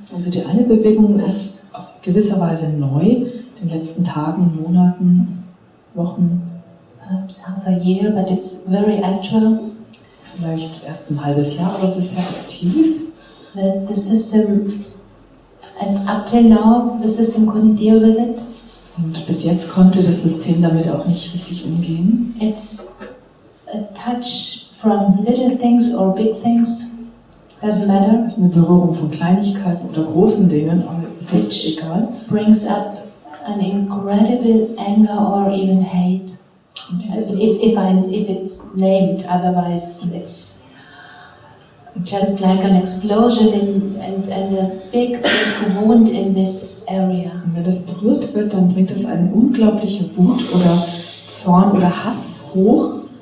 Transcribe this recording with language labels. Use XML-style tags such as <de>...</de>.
<de>Also die eine Bewegung ist auf gewisser Weise neu, den letzten Tagen, Monaten, Wochen.</de> <en>Perhaps half a year, but it's very actual.</en> <de>Vielleicht erst ein halbes Jahr, aber es ist sehr aktiv.</de> <en>That the system, and up till now, the system couldn't deal with it.</en> <de>Und bis jetzt konnte das System damit auch nicht richtig umgehen.</de> <en>It's a touch from little things or big things. Doesn't matter.</en> <de>Es ist eine Berührung von Kleinigkeiten oder großen Dingen, aber es ist egal.</de> <en>Brings up an incredible anger or even hate.</en> <de>Und diese</de> <en>if it's named, otherwise it's just like an explosion in, and a big wound in this area.</en> <de>Und wenn das berührt wird, dann bringt es eine unglaubliche Wut oder Zorn oder Hass hoch.</de>